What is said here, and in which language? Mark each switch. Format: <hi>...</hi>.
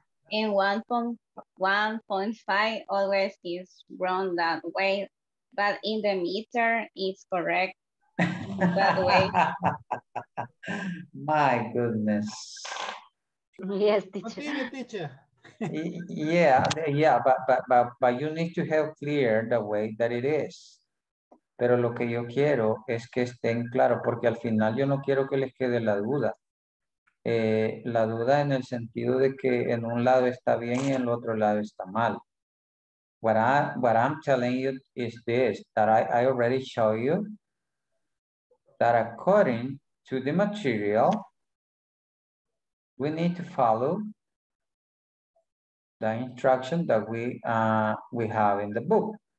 <en>In 1.5 always is wrong that way, but in the meter it's correct. that way. My goodness. Yes, teacher. Continue, teacher. Yeah, but you need to have clear the way that it is.</en> <es>Pero lo que yo quiero es que estén claros, porque al final yo no quiero que les quede la duda. La duda en el sentido de que en un lado está bien y en el otro lado está mal.</es> <en>What I'm telling you is this, that I already show you that according to the material, we need to follow the instruction that we have in the book.</en>